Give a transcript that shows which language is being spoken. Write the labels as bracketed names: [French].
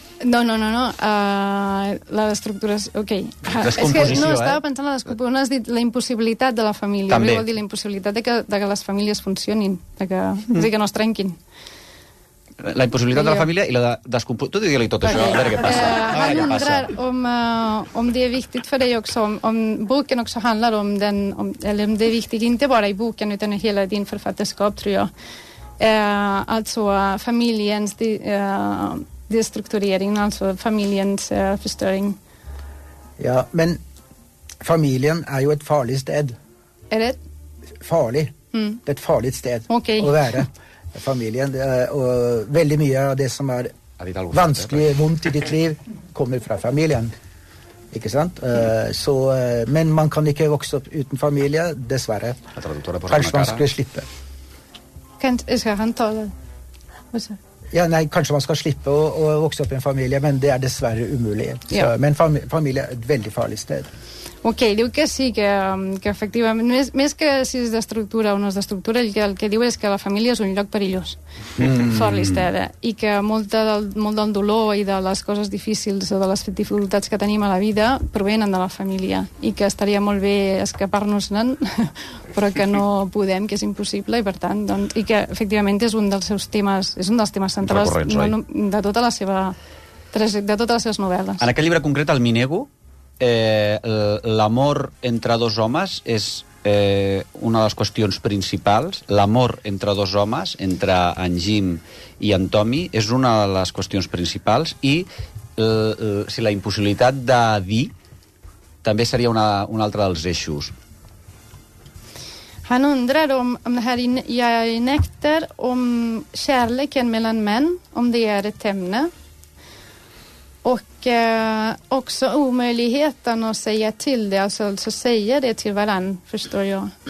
[Catalan] No. La destructuració... Ok. Descomposició, no, estava pensant en la descomposició. No has dit la impossibilitat de la família. També. Vol dir la impossibilitat de que les famílies funcionin. És a dir, que no es trenquin. La impossibilitat de la família i la descomposició... Tu digue-li tot això, a veure què passa. [Swedish] Han undrar om det är viktigt för dig också. Om boken också handlar om den... Eller om det är viktigt inte bara i boken utan i hela din författarskap, tror jag. Alltså familjens... destruktureringen, alltså familjens förstöring. Ja, men familjen är ju ett farligt sted. Är det? Farligt. Mm. Det är ett farligt sted att vara. Familjen, och väldigt mycket av det som är vanskligt, vondt i ditt liv kommer från familjen. [Norwegian] Ikke sant? [Swedish] Men man kan inte växa upp utan familj, dessvärre. Kanske man ska slippa. Ska han ta det? Ja, nej, kanske man ska slippa och växa upp i en familj, men det är dessvärre omöjligt. Ja. Men familj är ett väldigt farligt sted. [Catalan] Okej, okay, diu que sí, que efectivament, més que si és d'estructura o no és d'estructura, el que diu és que la família és un lloc perillós, [Swedish] farligt sted, [Catalan] i que molt del dolor i de les coses difícils o de les dificultats que tenim a la vida provenen de la família, i que estaria molt bé escapar-nos-en, però que no podem, que és impossible, i per tant, doncs, i que efectivament és un dels seus temes, és un dels temes centrals de tota la seva de totes les seves novel·les. En aquest llibre concret, el Minego, l'amor entre dos homes és una de les qüestions principals. L'amor entre dos homes, entre en Jim i en Tommy, és una de les qüestions principals, i si la impossibilitat de dir també seria un altre dels eixos. [Swedish] Han undrar om det här jag nekter om kärleken mellan män, om det är ett ämne. Och också omöjligheten att säga till det, alltså säga det till varann, förstår jag.